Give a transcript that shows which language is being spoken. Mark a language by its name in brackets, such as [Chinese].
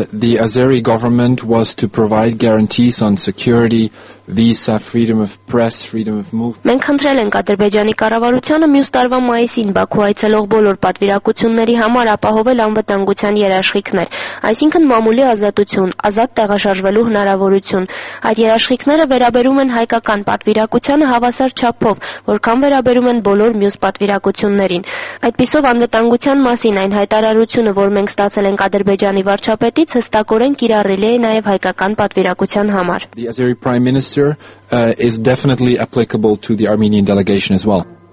[English] Provide guarantees on security, visa, freedom of press, freedom of movement. [Armenian] Մենք քննել ենք Ադրբեջանի կառավարությանը մյուս տարվա մայիսին Բաքու այցելող բոլոր պատվիրակությունների համար ապահովել անվտանգության երաշխիքներ, այսինքն մամուլի ազատություն, ազատ տեղաշարժվելու հնարավորություն։ Այդ երաշխիքները վերաբերում են հայկական պատվիրակությանը հավասար չափով, որքան վերաբերում են բոլոր մյուս պատվիրակություններին։ Այդպիսով անվտանգության մասին այն հայտարարությունը, որ մենք ստացել ենք Ադրբեջանի վարչապետից, հստակորեն կիրառելի է նաև հայկական պատվիրակության համար։ [English] The Azeri Prime Minister is definitely applicable to the Armenian delegation as well.